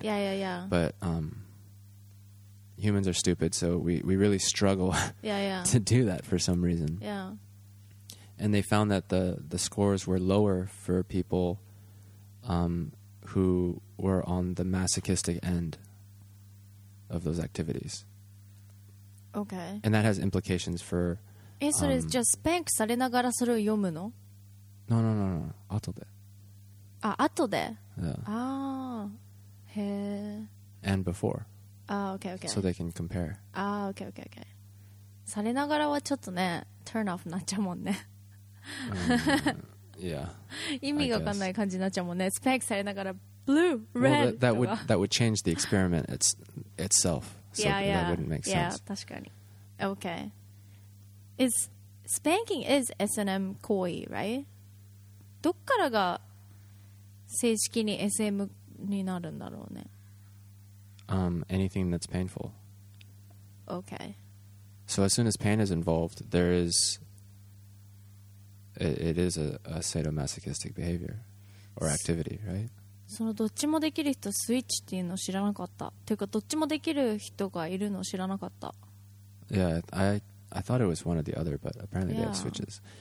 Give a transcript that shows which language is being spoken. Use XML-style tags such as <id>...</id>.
<en>But humans are stupid, so we really struggle to do that for some reason. And they found that the scores were lower for people who were on the masochistic end of those activities. Okay. And that has implications for</en> <ja>それじゃあスペンクされながらそれを読むの？ No. 後で。あ、後で。</ja> <en>Yeah.</en> <ja>ああ、へえ。</ja> <en>And before. Ah, okay. So they can compare. Ah, okay.</en> <ja>されながらはちょっとね、turn off になっちゃうもんね。</ja> <en>Yeah.</en> <ja>意味がわかんない感じになっちゃうもんね。スペンクされながら</ja> <en>blue, red. Well, that would change the experiment itself. So yeah, that wouldn't make sense. Yeah,</en> <ja>確かに。</ja> <en>Okay. Is spanking is S&M 行為, right?</en> <ja>どっからが正式に SM になるんだろうね?</ja> <en>Anything that's painful. Okay. So as soon as pain is involved, there is... It is a sadomasochistic behavior or activity, right?</en> <ja>そのどっちもできる人スイッチっていうの知らなかった。というかどっちもできる人がいるの知らなかった。</ja> <en>Yeah, I thought it was one or the other, but apparently they have switches.</en>